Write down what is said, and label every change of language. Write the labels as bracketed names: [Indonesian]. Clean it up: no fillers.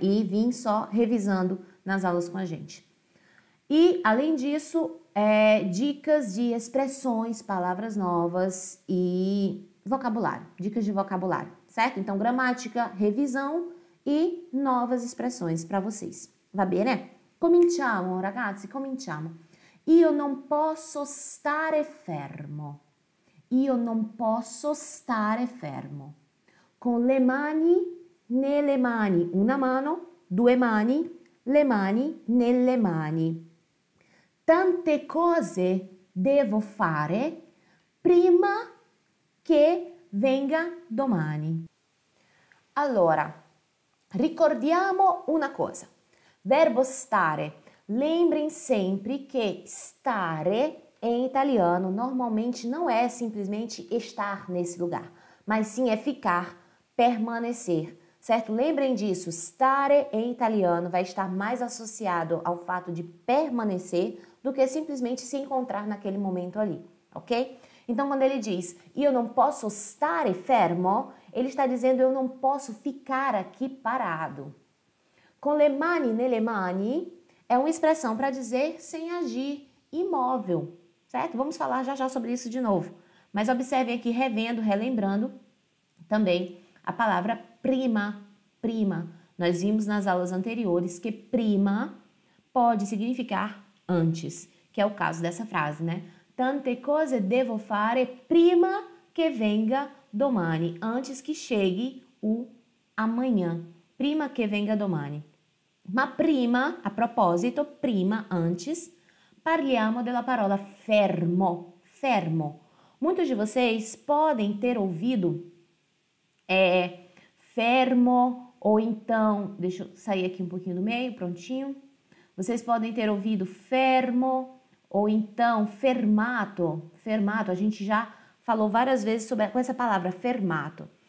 [Portuguese] E vim só revisando nas aulas com a gente. E, além disso, dicas de expressões, palavras novas e vocabulário. Dicas de vocabulário, certo? Então, gramática, revisão e novas expressões para vocês. [Italian] Va bene? Cominciamo, ragazzi, cominciamo. Io non posso stare fermo. Io non posso stare fermo. Con le mani, nelle mani. Una mano, due mani. Le mani nelle mani. Tante cose devo fare prima che venga domani. Allora, ricordiamo una cosa. Verbo stare. [Portuguese] Lembrem sempre [Italian] che stare in italiano normalmente non è semplicemente [Portuguese] estar nesse lugar, [Italian] ma [Portuguese] sim [Italian] è [Portuguese] ficar, permanecer. Certo? Lembrem disso, stare em italiano vai estar mais associado ao fato de permanecer do que simplesmente se encontrar naquele momento ali, ok? Então, quando ele diz, [Italian] io non posso stare fermo, [Portuguese] ele está dizendo, eu não posso ficar aqui parado. [Italian] Con le mani nelle mani [Portuguese] é uma expressão para dizer sem agir, imóvel, certo? Vamos falar já já sobre isso de novo. Mas observem aqui, revendo, relembrando também a palavra prima, prima. Nós vimos nas aulas anteriores que prima pode significar antes, que é o caso dessa frase, né? [Italian] Tante cose devo fare prima che venga domani, [Portuguese] antes que chegue o amanhã. [Italian] Prima che venga domani. Ma prima, [Portuguese] a propósito, [Italian] prima, [Portuguese] antes, [Italian] parliamo della parola fermo, fermo. [Portuguese] Muitos de vocês podem ter ouvido fermo, ou então, deixa eu sair aqui um pouquinho do meio, prontinho. Vocês podem ter ouvido fermo, ou então fermato. Fermato, a gente já falou várias vezes sobre com essa palavra, fermato.